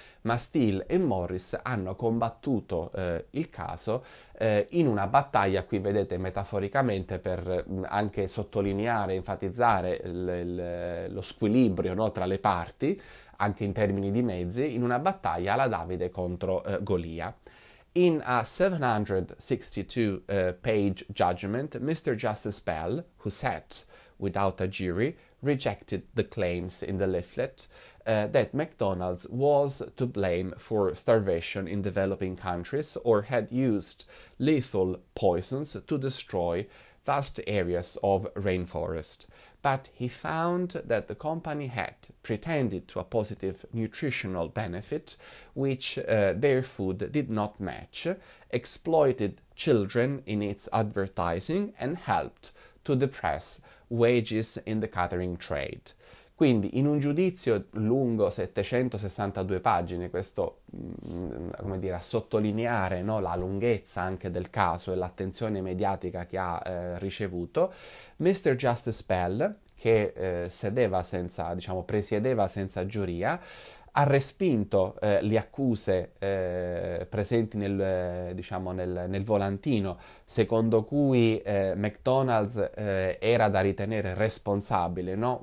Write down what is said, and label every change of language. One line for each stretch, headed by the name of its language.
Italian: Ma Steele e Morris hanno combattuto il caso in una battaglia, qui vedete metaforicamente per anche sottolineare, enfatizzare lo squilibrio, no, tra le parti, anche in termini di mezzi, in una battaglia alla Davide contro Golia.
English: In a 762-page judgment, Mr. Justice Bell, who sat without a jury, rejected the claims in the leaflet that McDonald's was to blame for starvation in developing countries or had used lethal poisons to destroy vast areas of rainforest. But he found that the company had pretended to a positive nutritional benefit, which their food did not match, exploited children in its advertising, and helped to depress wages in the catering trade.
Italian: Quindi, in un giudizio lungo 762 pagine, questo, come dire, a sottolineare, no, la lunghezza anche del caso e l'attenzione mediatica che ha ricevuto, Mr. Justice Bell, che sedeva senza, diciamo, presiedeva senza giuria, ha respinto le accuse presenti nel volantino, secondo cui McDonald's era da ritenere responsabile, no?